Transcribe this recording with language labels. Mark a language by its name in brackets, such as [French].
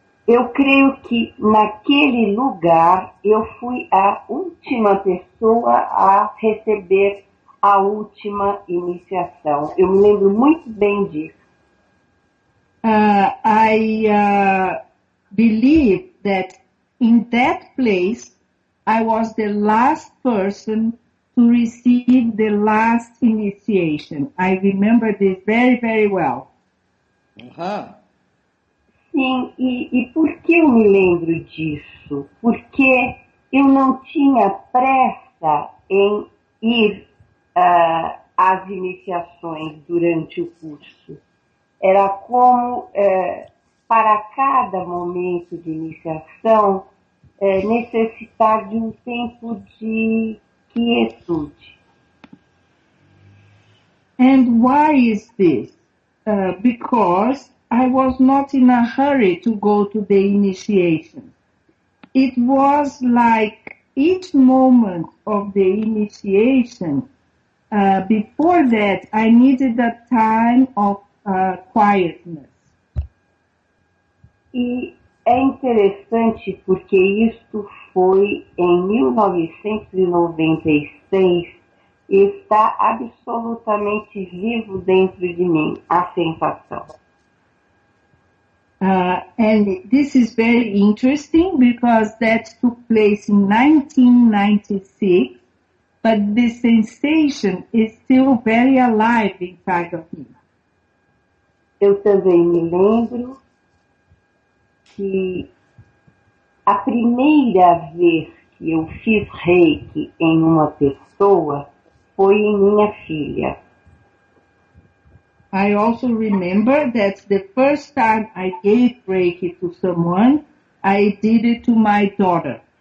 [Portuguese] Eu creio que naquele lugar eu fui a última pessoa a receber a última iniciação. Eu me lembro muito bem disso. [English] I believe that in that place I was the last person to receive the last initiation. I remember this very, very well. [Portuguese] Sim, e por que eu me lembro disso? Porque eu não tinha pressa em ir às iniciações durante o curso. Era como, para cada momento de iniciação, necessitar de um tempo de quietude. [English] And why is this? Because I was not in a hurry to go to the initiation. It was like each moment of the initiation, before that, I needed a time of quietness. [Portuguese] E é interessante porque isto foi em 1996 e está absolutamente vivo dentro de mim, a sensação. [English] And this is very interesting because that took place in 1996, but the sensation is still very alive inside of me. [Portuguese] Eu também me lembro que A primeira vez que eu fiz reiki em uma pessoa foi em minha filha. [English] I also remember that the first time I gave reiki to someone, I did it to my daughter.